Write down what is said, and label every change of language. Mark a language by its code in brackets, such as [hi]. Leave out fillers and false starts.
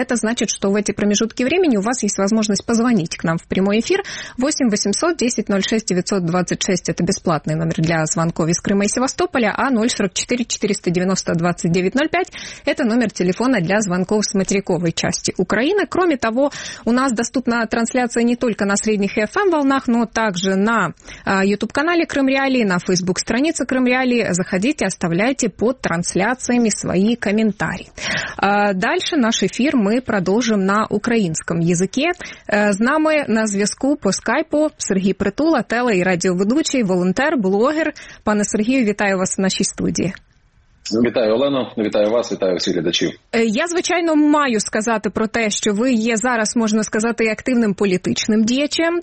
[ru] Это значит, что в эти промежутки времени у вас есть возможность позвонить к нам в прямой эфир. 8 800 10 06 926 – это бесплатный номер для звонков из Крыма и Севастополя, а 044 490 2905 – это номер телефона для звонков с материковой части Украины. Кроме того, у нас доступна трансляция не только на средних FM-волнах, но также на YouTube-канале Крым Реалии, на Facebook-странице Крым Реалии. Заходите, оставляйте под трансляциями свои комментарии. Дальше наш эфир мы продолжим на украинском языке. [uk] З нами на зв'язку по скайпу Сергій Притула, теле- і радіоведучий, волонтер, блогер. Пане Сергію, вітаю вас в нашій студії. Вітаю, Олено, вітаю вас, вітаю всіх глядачів. Я, звичайно, маю сказати про те, що ви є зараз, можна сказати, активним політичним діячем.